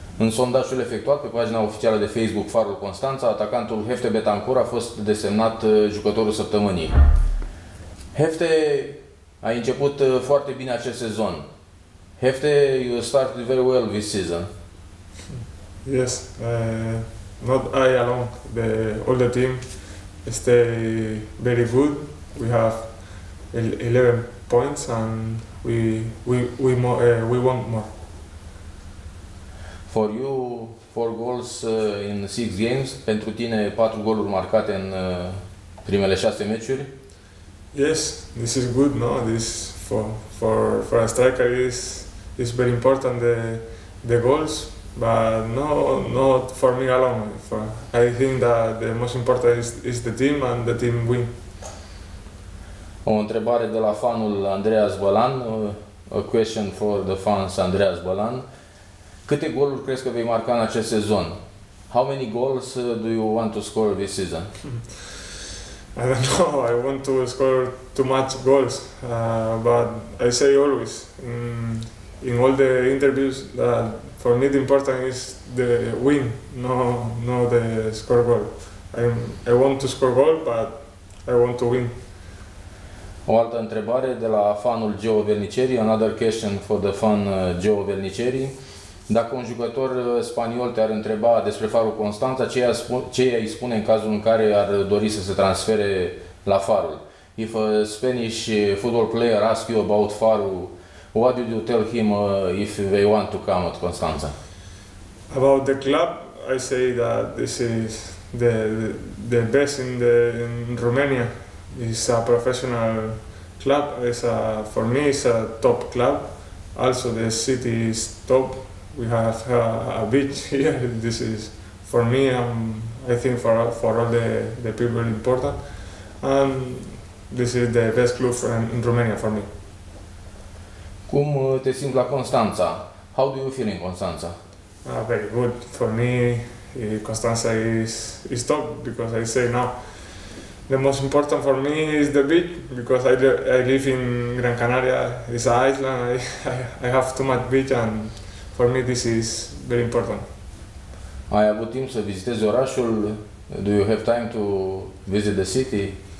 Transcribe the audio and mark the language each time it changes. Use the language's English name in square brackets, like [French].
[Romanian] sondajul efectuat pe pagina oficială de Facebook Farul Constanța, atacantul Hefte Betancur a fost desemnat jucătorul săptămânii. Hefte a început foarte bine acest sezon. [English] Hefte, you started very well this season. Yes, not I alone, the all the team stay very good. We have 11 points and we want more. For you, 4 goals in 6 games. [Romanian] Pentru tine, 4 goluri marcate în primele 6 meciuri. [English] Yes, this is good, no? This for a striker is very important, the goals, but no, not for me alone. I think that the most important is the team and the team win. [Romanian] O întrebare de la fanul Andreas Bălan, [English] a question for the fans [Romanian] Andreas Bălan. Câte goluri crezi că vei marca în acest sezon? [English] How many goals do you want to score this season? I don't know. I want to score too much goals, but I say always in all the interviews that for me the important is the win, no the score goal. I want to score goal, but I want to win. [Romanian] O altă întrebare de la fanul Geo Vernicieri, [English] another question for the fan [Romanian] Geo Vernicieri. Dacă un jucător spaniol te-ar întreba despre Farul Constanța, ce i-ai spune în cazul în care ar dori să se transfere la Farul? [English] If a Spanish football player ask you about Farul, what would you tell him if they want to come at Constanța? About the club, I say that this is the best in Romania. It's a professional club. For me, it's a top club. Also, the city is top. We have a beach here. This is for me. I think for all the people important. And this is the best club in Romania for me. [Romanian] Cum te simți la Constanța? [English] How do you feel in Constanța? Very good for me. Constanța is top because I say now the most important for me is the beach because I live in Gran Canaria. It's an island. I have too much beach and for me, this is very important. [Romanian] Ai avut timp să vizitezi orașul? [English] Do you have time to visit the city?